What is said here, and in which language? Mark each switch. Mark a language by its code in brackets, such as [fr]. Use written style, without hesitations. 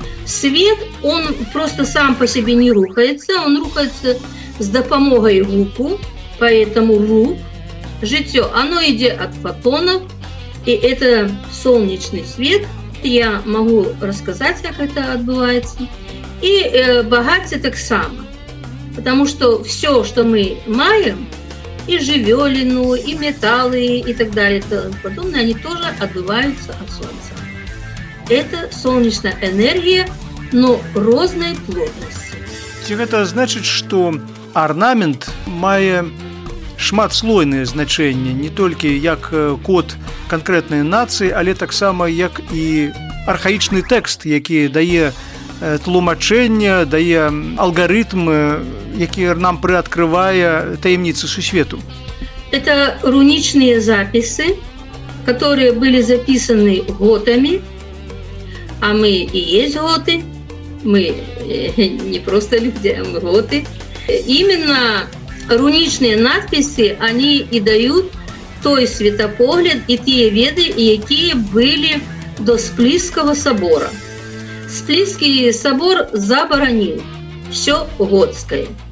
[uk] Світ, він просто сам по собі не рухається, він рухається з допомогою руху, поэтому рух, життя, оно йде від фотонів, і це сонячний світ, я можу розказати, як це відбувається. І багаття так само, тому що все, що ми маємо, і живелину, і металы, і так далі, то подобное, вони теж відбуваються від сонця. [ru] Это сонячная энергия, но разной плотности. Это значит, что орнамент мае шматслойное значение, не только как код конкретной нации, але так само, как и архаичный текст, который дает тлумачение, дает алгоритмы, которые нам приоткрывают таймницы сусвету. Это руничные записи, которые были записаны готами, [uk] а ми і є готи, ми не просто люди, а ми готи. Іменно рунічні надписи, вони і дають той світопогляд і ті веди, які були до Сплітського собору. Сплітський собор заборонив все готське.